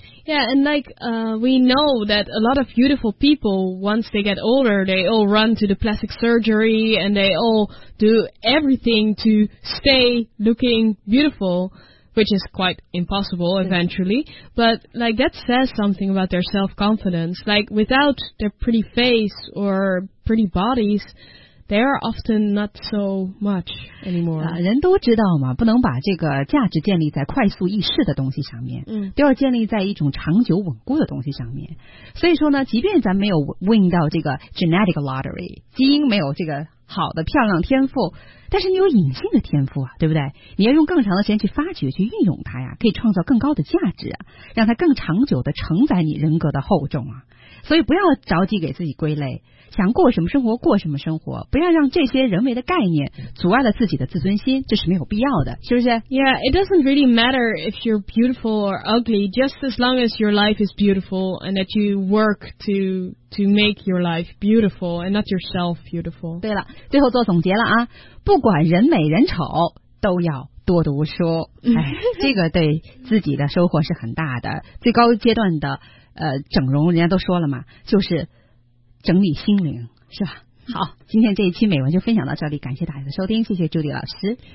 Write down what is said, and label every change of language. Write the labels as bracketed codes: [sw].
[en] Yeah, and like we know that a lot of beautiful people, once they get older, they all run to the plastic surgery and they all do everything to stay looking beautiful, which is quite impossible eventually. But like that says something about their self-confidence. Like without their pretty face or pretty bodies, they are often not so much anymore. [zh] 人都知道嘛，不能把这个价值建立在快速易逝的东西上面，都要建立在一种长久稳固的东西上面。所以说呢，即便咱没有 [en] win [zh] 到这个 [en] genetic lottery， [zh] 基因没有这个好的漂亮天赋，但是你有隐性的天赋啊，对不对？你要用更长的时间去发掘，去运用它呀，可以创造更高的价值啊，让它更长久的承载你人格的厚重啊。所以不要着急给自己归类，想过什么生活过什么生活，不要让这些人为的概念阻碍了自己的自尊心，这是没有必要的，是不是？ [en] Yeah, it doesn't really matter if you're beautiful or ugly, just as long as your life is beautiful and that you work to make your life beautiful and not yourself beautiful. [zh] 对了，最后做总结了啊，不管人美人丑都要多读书，这个对自己的收获是很大的。最高阶段的整容人家都说了嘛，就是整理心灵，是吧？好，今天这一期美文就分享到这里，感谢大家的收听，谢谢朱迪老师。